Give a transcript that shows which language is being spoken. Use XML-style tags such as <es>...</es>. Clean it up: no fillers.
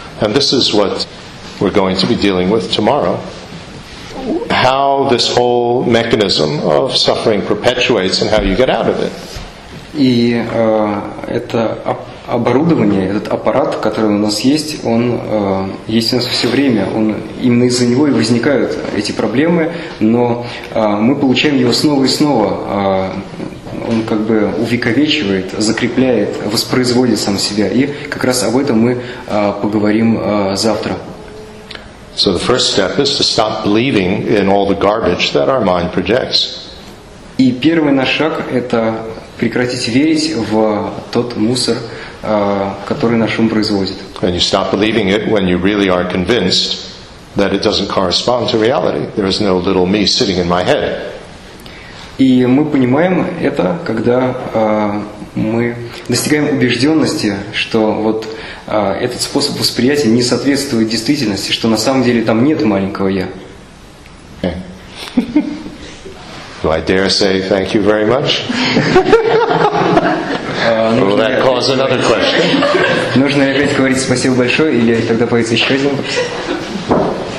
<en>And this is what we're going to be dealing with tomorrow. How this whole mechanism of suffering perpetuates and how you get out of it.</en> <ru>И это оборудование, этот аппарат, который у нас есть, он есть у нас все время. Он именно из-за него и возникают эти проблемы, но мы получаем его снова и снова. Он как бы увековечивает, закрепляет, воспроизводит сам себя. И как раз об этом мы поговорим завтра.</ru> <en>So the first step is to stop believing in all the garbage that our mind projects.</en> <ru>И первый наш шаг – это прекратить верить в тот мусор, который наш ум производит.</ru> <en>And you stop believing it when you really are convinced that it doesn't correspond to reality. There is no little me sitting in my head.</en> <ru>И мы понимаем это, когда мы достигаем убежденности, что вот этот способ восприятия не соответствует действительности, что на самом деле там нет маленького я.</ru> <en>Okay. Do I dare say thank you very much? Will that cause another question?</en> <ru>Нужно ли опять говорить спасибо большое, или тогда появится еще один вопрос?</ru>